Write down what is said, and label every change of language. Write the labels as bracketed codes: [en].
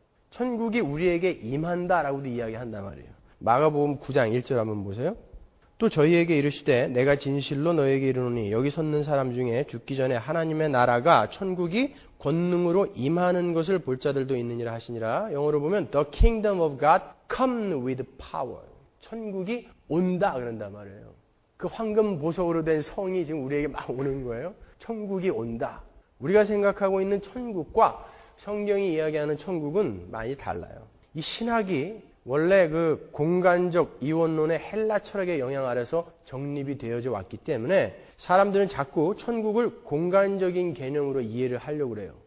[ko] 천국이 우리에게 임한다 라고도 이야기한단 말이에요. 마가복음 9장 1절 한번 보세요. 또 저희에게 이르시되 내가 진실로 너에게 이르노니 여기 섰는 사람 중에 죽기 전에 하나님의 나라가 천국이 권능으로 임하는 것을 볼 자들도 있느니라 하시니라. 영어로 보면 [en] The kingdom of God come with power. [ko] 천국이 온다 그런단 말이에요. 그 황금 보석으로 된 성이 지금 우리에게 막 오는 거예요. 천국이 온다. 우리가 생각하고 있는 천국과 성경이 이야기하는 천국은 많이 달라요. 이 신학이 원래 그 공간적 이원론의 헬라 철학의 영향 아래서 정립이 되어져 왔기 때문에 사람들은 자꾸 천국을 공간적인 개념으로 이해를 하려고 그래요.